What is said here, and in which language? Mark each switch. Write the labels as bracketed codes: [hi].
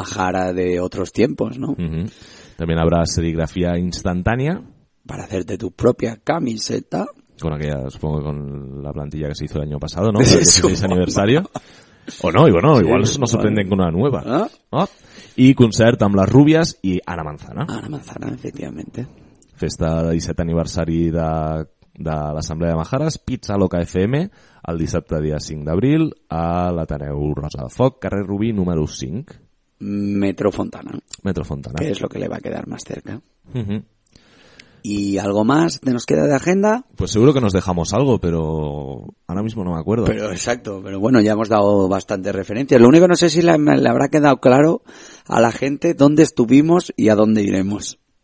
[es] Majara de otros tiempos, ¿no? Uh-huh. También habrá serigrafía instantánea para hacerte tu propia camiseta con aquella, supongo que con la plantilla que se hizo el año pasado, ¿no? Porque es aniversario. O no, y bueno, igual sí, nos sorprenden con una nueva. ¿Ah? ¿No? [ca] Y concert amb las Rubias y Ana Manzana. [es] Ana Manzana, efectivamente. [ca] Festa de 17 aniversari de l'Assemblea de Majares, Pizza Loca FM, el dissabte dia 5 d'abril, a l'Ateneu Rosa de Foc, carrer Rubí número 5. Metro Fontana. Que és el que li va quedar més cerca. Uh-huh. [es] ¿Y algo más que nos queda de agenda? Pues seguro que nos dejamos algo, pero ahora mismo no me acuerdo. Pero exacto, pero bueno, ya hemos dado bastante referencia. Lo único, no sé si le habrá quedado claro a la gente dónde estuvimos y a dónde iremos.